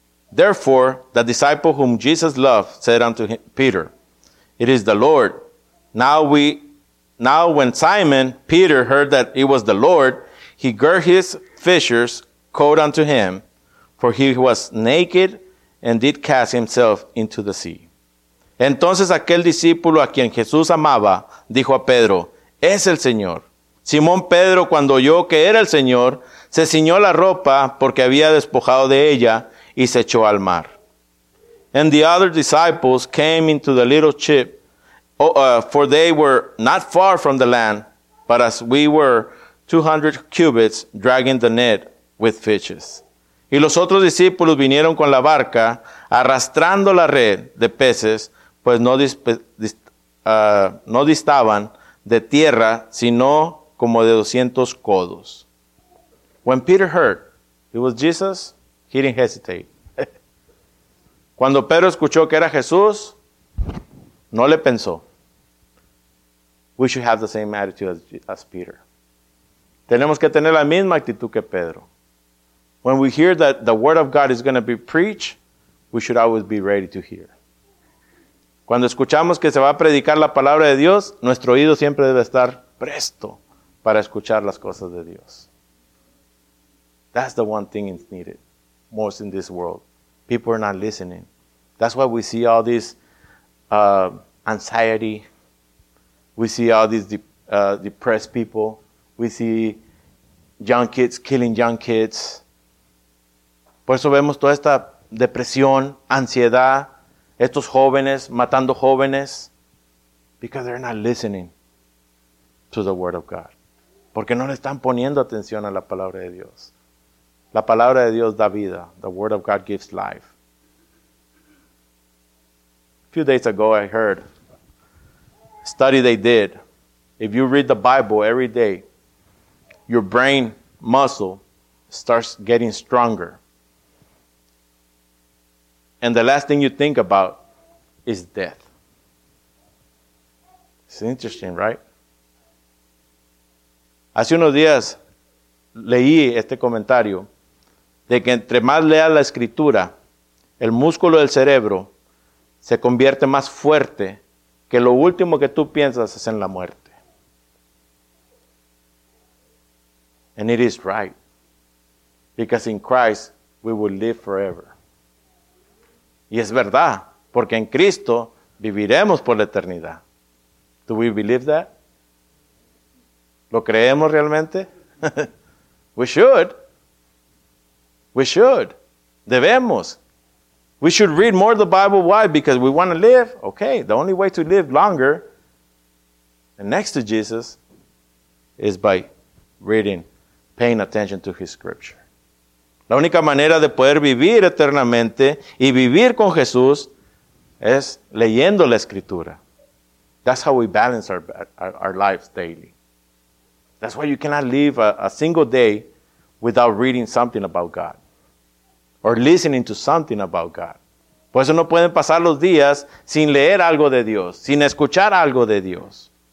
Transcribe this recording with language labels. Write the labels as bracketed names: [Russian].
[English] Therefore, the disciple whom Jesus loved said unto him, Peter, it is the Lord. Now when Simon Peter heard that it was the Lord, he girt his fisher's coat unto him, for he was naked, and did cast himself into the sea. [Spanish] Entonces aquel discípulo a quien Jesús amaba dijo a Pedro, es el Señor. Simón Pedro, cuando oyó que era el Señor, se ciñó la ropa porque había despojado de ella y se echó al mar. [English] And the other disciples came into the little ship, for they were not far from the land, but as we were 200 cubits, dragging the net with fishes. [Spanish] Y los otros discípulos vinieron con la barca, arrastrando la red de peces, pues no distaban de tierra, sino como de 200 codos. [English] When Peter heard it was Jesus, he didn't hesitate. [Spanish] Cuando Pedro escuchó que era Jesús, no le pensó. [English] We should have the same attitude as Peter. [Spanish] Tenemos que tener la misma actitud que Pedro. [English] When we hear that the word of God is going to be preached, we should always be ready to hear. [Spanish] Cuando escuchamos que se va a predicar la palabra de Dios, nuestro oído siempre debe estar presto para escuchar las cosas de Dios. [English] That's the one thing that's needed most in this world. People are not listening. That's why we see all this anxiety. We see all these depressed people. We see young kids killing young kids. [Spanish] Por eso vemos toda esta depresión, ansiedad, estos jóvenes matando jóvenes. [English] Because they're not listening to the word of God. [Spanish] Porque no le están poniendo atención a la palabra de Dios. La palabra de Dios da vida. [English] The word of God gives life. A few days ago I heard a study they did. If you read the Bible every day, your brain muscle starts getting stronger. And the last thing you think about is death. It's interesting, right? [Spanish] Hace unos días leí este comentario de que entre más lea la escritura, el músculo del cerebro se convierte más fuerte que lo último que tú piensas es en la muerte. [English] And it is right, because in Christ we will live forever. [Spanish] Y es verdad, porque en Cristo viviremos por la eternidad. [English] Do we believe that? [Spanish] ¿Lo creemos realmente? [English] We should. We should. [Spanish] Debemos. [English] We should read more of the Bible. Why? Because we want to live. Okay, the only way to live longer and next to Jesus is by reading. Paying attention to his scripture. [Spanish] La única manera de poder vivir eternamente y vivir con Jesús es leyendo la escritura. [English] That's how we balance our lives daily. That's why you cannot live a single day without reading something about God. Or listening to something about God. [Spanish] Por eso no pueden pasar los días sin leer algo de Dios, sin escuchar algo de Dios.